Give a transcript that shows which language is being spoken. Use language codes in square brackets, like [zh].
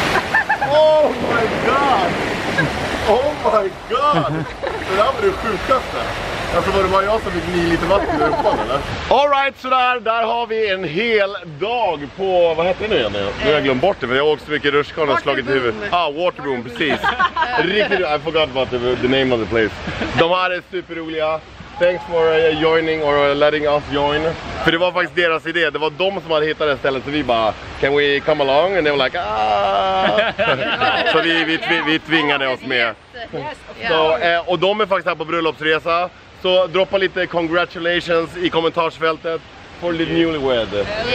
[en] 3, 2, 1. Oh my god! Oh my god! [sv] Det där var det sjukaste. Alltså var det bara jag som fick ni lite vatten i rumpan eller? [en] All right, [sv] så där har vi en hel dag på, vad heter det nu igen? Nu har jag glömt bort det, för jag åkte så mycket rutschkana och slagit i huvudet. Ah, Waterboom, precis. Riktigt, [en] I forgot about the name of the place. [sv] De här är superroliga. [en] Thanks for joining or letting us join. [sv] För det var faktiskt deras idé, det var de som hade hittat det stället, så vi bara, [en] can we come along? And they were like, ah. [sv] Så vi tvingade oss med. [en] Yes. Yeah. [sv] Så, och de är faktiskt här på bröllopsresa. Så droppa lite [en] congratulations [sv] i kommentarsfältet [en] for the newlywed.